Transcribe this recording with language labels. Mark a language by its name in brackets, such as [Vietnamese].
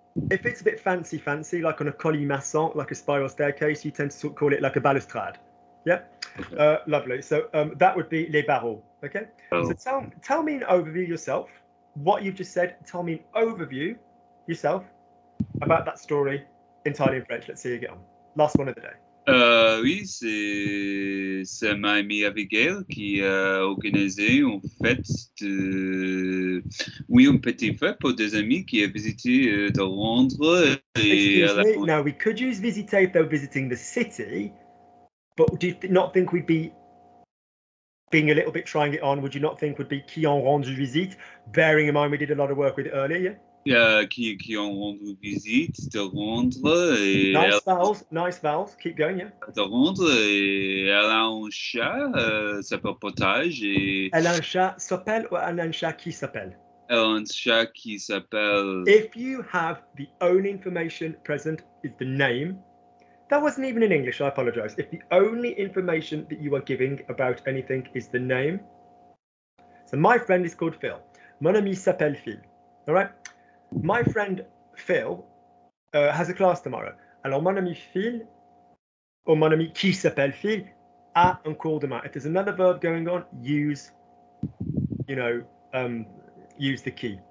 [English] If it's a bit fancy, like on a colimaçon, like a spiral staircase, you tend to call it like a balustrade. Yeah, okay. Lovely. So that would be les barreaux, okay? Oh. So tell me an overview yourself, what you've just said. Tell me an overview yourself about that story entirely in French. Let's see you get on. Last one of the day. [French] Oui, c'est ma amie Abigail qui a organisé en fait un petit feu pour des amis qui a visité de Londres. [English] Excuse me, we could use visiter if they were visiting the city, but do you not think we'd be being a little bit trying it on? Would you not think we'd be [French] qui ont rendu visite, [English] bearing in mind we did a lot of work with it earlier, yeah? [French] Qui ont rendu visite de Londres. Et [English] nice vowels, nice vowels. Keep going, yeah. [French] De Londres, et elle a un chat, ça peut potage. Et elle a un chat s'appelle ou elle a un chat qui s'appelle? Elle a un chat qui s'appelle. [English] If you have the only information present is the name, that wasn't even in English, I apologize. If the only information that you are giving about anything is the name. So my friend is called Phil. [French] Mon ami s'appelle Phil. [English] All right? My friend Phil has a class tomorrow. [French] Alors, mon ami Phil, or mon ami qui s'appelle Phil, a un cours demain. [English] If there's another verb going on, use the qui.